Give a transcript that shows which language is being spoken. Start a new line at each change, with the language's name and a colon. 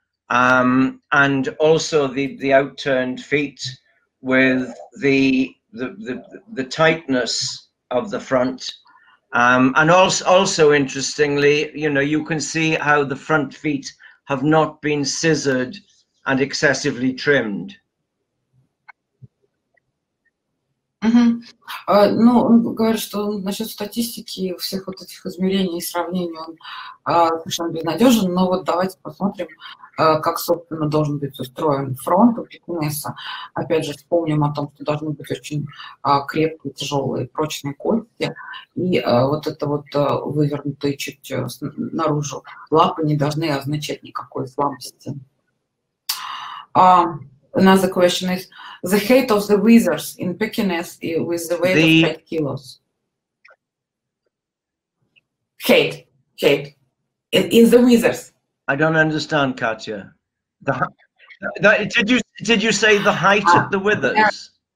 English: And also the outturned feet with the tightness of the front, and also interestingly, you know, you can see how the front feet have not been scissored and excessively trimmed.
Russian: Ну, он говорит, что насчет статистики всех вот этих измерений и сравнений он совершенно безнадежен, но вот давайте посмотрим, как, собственно, должен быть устроен фронт у Пекинеса. Опять же, вспомним о том, что должны быть очень крепкие, тяжелые, прочные кости, и вот это вот вывернутые чуть наружу лапы не должны означать никакой слабости.
English: Another question is the height of the whiskers in Pekinese with the weight of 5 kilos. Height. In the whiskers. I don't understand, Katya. Did you say the height of the withers?